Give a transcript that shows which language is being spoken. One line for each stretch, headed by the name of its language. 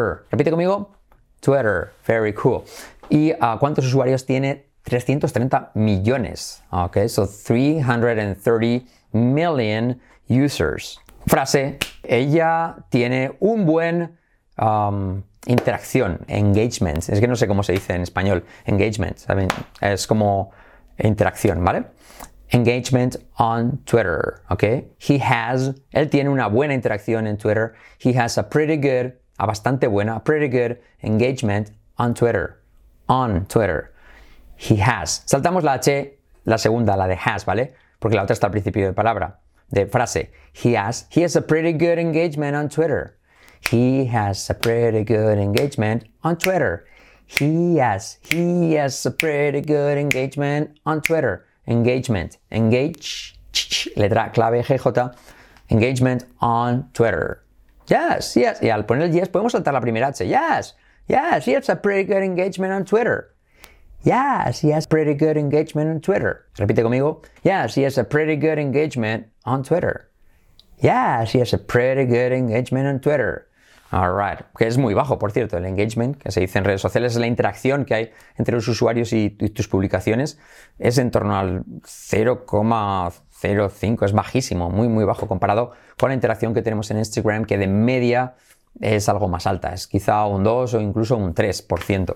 Spanish: Repite conmigo, Twitter, very cool. ¿Y cuántos usuarios tiene? 330 millones, ok,
English: so 330 million users.
Spanish: Frase, ella tiene un buen interacción, engagement, es que no sé cómo se dice en español, engagement,
English: I mean,
Spanish: es como interacción, ¿vale?
English: Engagement on Twitter,
Spanish: ¿ok?
English: He has,
Spanish: él tiene una buena interacción en Twitter.
English: He has a pretty good,
Spanish: a bastante buena,
English: pretty good engagement on Twitter. On Twitter. He has.
Spanish: Saltamos la H, la segunda, la de has, ¿vale? Porque la otra está al principio de palabra, de frase.
English: He has. He has a pretty good engagement on Twitter. He has a pretty good engagement on Twitter. He has a pretty good engagement on Twitter. Engagement. Engage.
Spanish: Letra clave GJ.
English: Engagement on Twitter. Yes, yes.
Spanish: Y al poner el yes, podemos saltar la primera H.
English: Yes, yes. He has a pretty good engagement on Twitter. Yes, he has pretty good engagement on Twitter.
Spanish: Repite conmigo.
English: Yes, he has a pretty good engagement on Twitter. Yes, he has a pretty good engagement on Twitter. All right,
Spanish: que es muy bajo, por cierto, el engagement, que se dice en redes sociales, es la interacción que hay entre los usuarios y tus publicaciones, es en torno al 0,05, es bajísimo, muy, muy bajo, comparado con la interacción que tenemos en Instagram, que de media es algo más alta, es quizá un 2 o incluso un 3%.